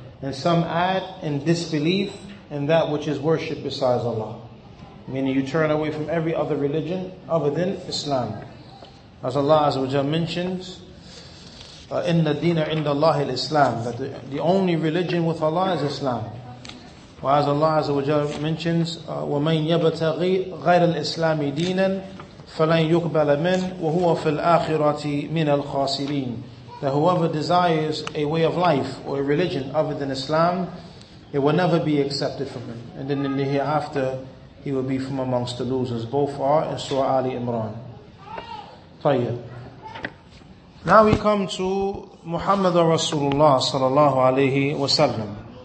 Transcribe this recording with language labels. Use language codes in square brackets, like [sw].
[en] And some add in disbelief in that which is worship besides Allah. Meaning you turn away from every other religion other than Islam. As Allah Azza wa Jal mentions, [ar] إِنَّ الدِّينَ عِنْدَ اللَّهِ الْإِسْلَامِ. [en] That the only religion with Allah is Islam. As Allah Azza wa Jal mentions, [ar] وَمَنْ يَبْتَغِي غَيْرَ الْإِسْلَامِ دِينًا فَلَنْ يُقْبَلَ مِنْ وَهُوَ فِي الْآخِرَةِ مِنَ الْخَاسِرِينَ. [en] That whoever desires a way of life or a religion other than Islam, it will never be accepted from him. And then in the hereafter, he will be from amongst the losers. Both are in Surah Ali Imran. Tayyib. Now we come to Muhammad Rasulullah sallallahu alayhi wa sallam.